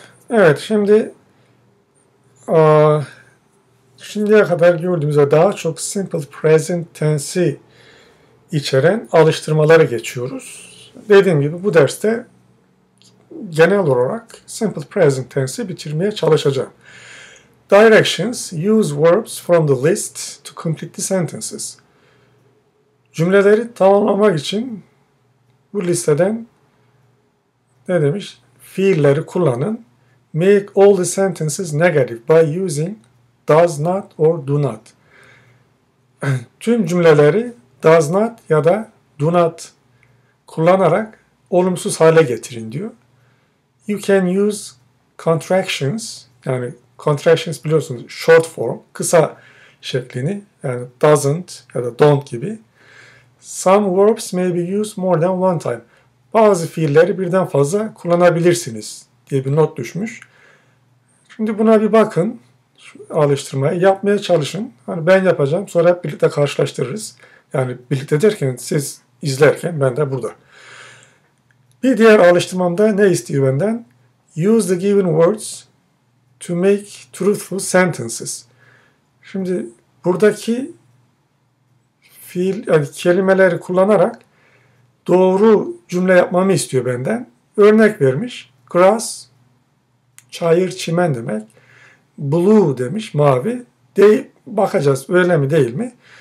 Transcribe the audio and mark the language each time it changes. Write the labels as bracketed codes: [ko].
[tr] Evet, şimdiye kadar gördüğümüzde daha çok simple present tense'i içeren alıştırmalara geçiyoruz. Dediğim gibi bu derste genel olarak simple present tense'i bitirmeye çalışacağım. [en] Directions: Use verbs from the list to complete the sentences. [tr] Cümleleri tamamlamak için bu listeden ne demiş? fiilleri kullanın. [en] Make all the sentences negative by using does not or do not. [tr] Tüm cümleleri does not ya da do not kullanarak olumsuz hale getirin diyor. [en] You can use contractions, [tr] yani contractions biliyorsunuz short form, kısa şeklini, yani doesn't ya da don't gibi. [en] Some verbs may be used more than one time. [tr] Bazı fiilleri birden fazla kullanabilirsiniz diye bir not düşmüş. Şimdi buna bir bakın, şu alıştırmayı yapmaya çalışın. Hani ben yapacağım, sonra hep birlikte karşılaştırırız. Yani birlikte derken siz izlerken ben de burada. Bir diğer alıştırmam da ne istiyor benden? [en] Use the given words to make truthful sentences. [tr] Şimdi buradaki fiil, yani kelimeleri kullanarak doğru cümle yapmamı istiyor benden. Örnek vermiş. Grass, çayır, çimen demek. Blue demiş, mavi. Bakacağız öyle mi değil mi?